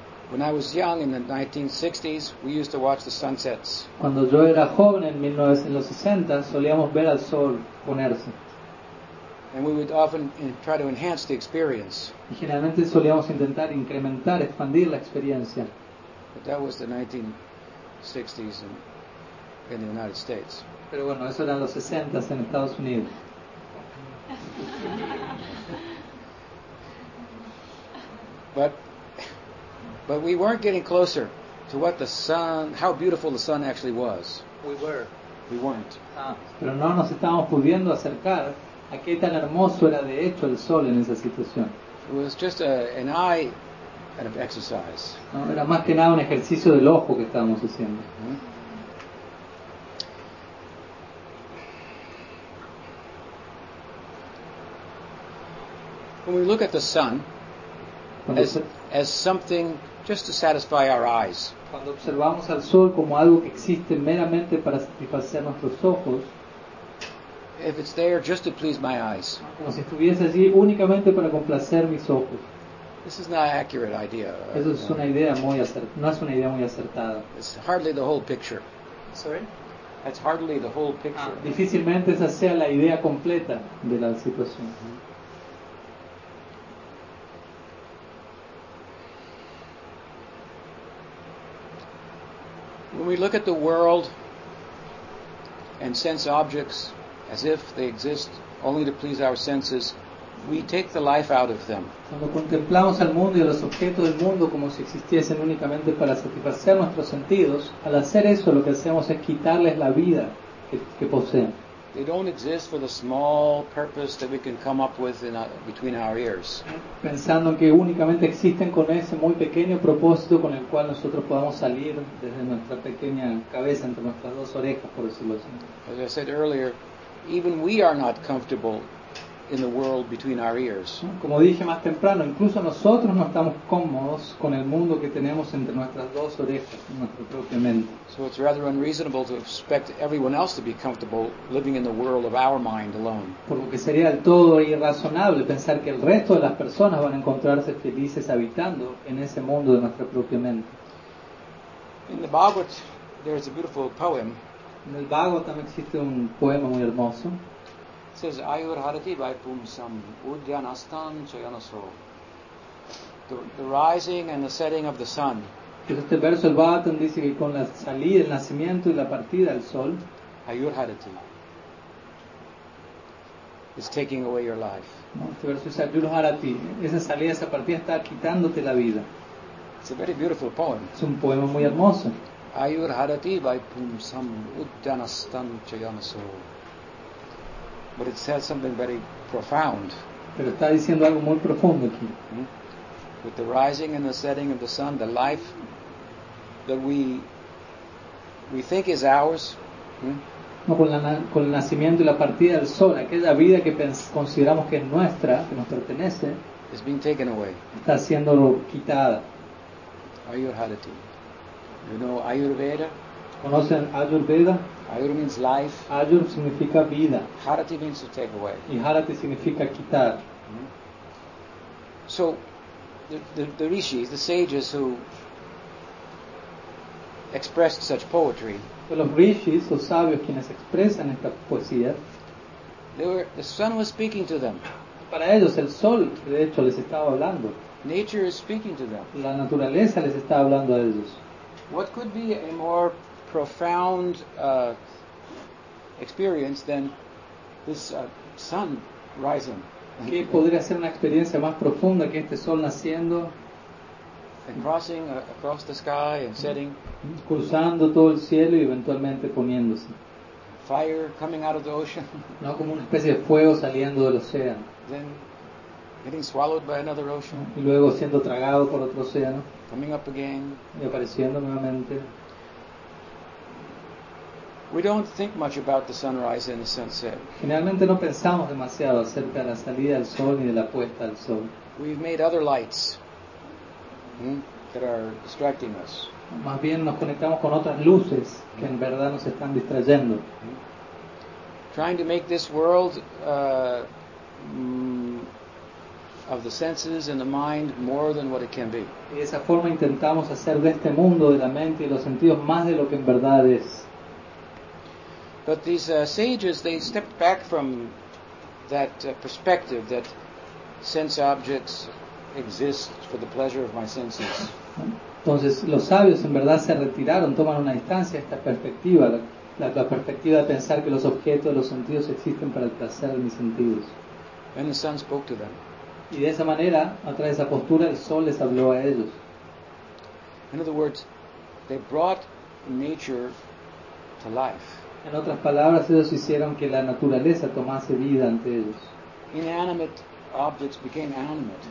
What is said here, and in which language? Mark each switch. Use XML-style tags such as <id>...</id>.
<en>When I was young in the 1960s, we used to watch the sunsets.</en> <es>Cuando yo era joven en 1960, solíamos ver al sol ponerse.</es> <en>And we would often try to enhance the experience.</en> <es>Y generalmente solíamos intentar incrementar, expandir la experiencia.</es> <en>But that was the 1960s in the United States.</en> <es>Pero bueno, eso eran los 60s en Estados Unidos.</es> <en>But we weren't getting closer to what the sun, how beautiful the sun actually was. We weren't.</en> <es>Pero no nos estábamos pudiendo acercar a qué tan hermoso era de hecho el sol en esa situación.</es> <en>It was just an eye. Kind of exercise.</en> <es>No, era más que nada un ejercicio del ojo que estábamos haciendo.</es> <en>When we look at the sun as something just to satisfy our eyes.</en> <es>Cuando observamos al sol como algo que existe meramente para satisfacer nuestros ojos.</es> <en>If it's there just to please my eyes.</en> <es>Como si estuviese allí únicamente para complacer mis ojos.</es> <en>This is not an accurate idea.</en> <es>Eso es una idea muy acertada. No es una idea muy acertada.</es> <en>It's hardly the whole picture. Sorry? That's hardly the whole picture.</en> <es>Ah, difícilmente esa sea la idea completa de la situación.</es> <en>When we look at the world and sense objects as if they exist only to please our senses, we take the life out of them.</en> <es>Cuando contemplamos al mundo y a los objetos del mundo como si existiesen únicamente para satisfacer nuestros sentidos, al hacer eso lo que hacemos es quitarles la vida que poseen.</es> <en>They don't exist for the small purpose that we can come up with between our ears.</en> <es>Pensando que únicamente existen con ese muy pequeño propósito con el cual nosotros podamos salir desde nuestra pequeña cabeza entre nuestras dos orejas, por decirlo así.</es> <en>As I said earlier, even we are not comfortable in the world between our ears.</en> <es>Como dije más temprano, incluso nosotros no estamos cómodos con el mundo que tenemos entre nuestras dos orejas, nuestra propia mente.</es> <en>So it's rather unreasonable to expect everyone else to be comfortable living in the world of our mind alone.</en> <es>Por lo que sería del todo irrazonable pensar que el resto de las personas van a encontrarse felices habitando en ese mundo de nuestra propia mente.</es> <en>In the Bhagavad, there is a beautiful poem.</en> <es>En el Bhagavatam existe un poema muy hermoso.</es> <en>It says,</en> <sa>Ayur Harati Vaipumsam Udyanastan Chayanaso.</sa> <en>The rising and the setting of the sun.</en> <es>Este verso del Bhagavatam dice que con la salida, el nacimiento y la partida del sol,</es> <en>Ayur Harati is taking away your life.</en> <es>Este verso dice, Ayur Harati, esa salida, esa partida está quitándote la vida.</es> <en>It's a very beautiful poem.</en> <es>Es un poema muy hermoso.</es> <sa>Ayur Harati Vaipumsam Udyanastan Chayanaso.</sa> <en>But it says something very profound.</en> <es>Pero está diciendo algo muy profundo aquí.</es> <en>With the rising and the setting of the sun, the life that we think is ours.</en> <es>No, con el nacimiento y la partida del sol, aquella vida que consideramos que es nuestra, que nos pertenece,</es> <en>is being taken away.</en> <es>Está siendo quitada.</es> <en>Ayurharati. You know Ayurveda?</en> <es>¿Conocen Ayurveda?</es> <en>Ayur means life.</en> <es>Ayur significa vida.</es> <en>Harati means to take away.</en> <es>Y Harati significa quitar.</es> <en>So, the rishis, the sages who expressed such poetry.</en> <es>Los rishis, los sabios quienes expresan esta poesía.</es> <en>The sun was speaking to them.</en> <es>Para ellos el sol, de hecho, les estaba hablando.</es> <en>Nature is speaking to them.</en> <es>La naturaleza les está hablando a ellos.</es> <en>What could be a more profound experience than this sun rising?</en> <es>¿Qué podría ser una experiencia más profunda que este sol naciendo?</es> <en>And crossing across the sky and setting.</en> <es>Cruzando todo el cielo y eventualmente poniéndose.</es> <en>Fire coming out of the ocean.</en> <es>No, como una especie de fuego saliendo del océano.</es> <en>Then getting swallowed by another ocean.</en> <es>Y luego siendo tragado por otro océano.</es> <en>Coming up again.</en> <es>Y apareciendo nuevamente.</es> <en>We don't think much about the sunrise and the sunset.</en> <es>Generalmente no pensamos demasiado acerca de la salida del sol ni de la puesta del sol.</es> <en>We've made other lights that are distracting us.</en> <es>Más bien nos conectamos con otras luces que en verdad nos están distrayendo.</es> <en>Trying to make this world of the senses and the mind more than what it can be.</en> <es>Y de esa forma intentamos hacer de este mundo de la mente y los sentidos más de lo que en verdad es.</es> <en>But these sages, they stepped back from that perspective that sense objects exist for the pleasure of my senses.</en> <es>Entonces, los sabios en verdad se retiraron, toman una distancia esta perspectiva, la perspectiva de pensar que los objetos, los sentidos existen para el placer de mis sentidos.</es> <en>And the sun spoke to them.</en> <es>Y de esa manera, a través de esa postura, el sol les habló a ellos.</es> <en>In other words, they brought nature to life.</en> <es>En otras palabras, ellos hicieron que la naturaleza tomase vida ante ellos.</es> <en>Inanimate objects became animate.</en>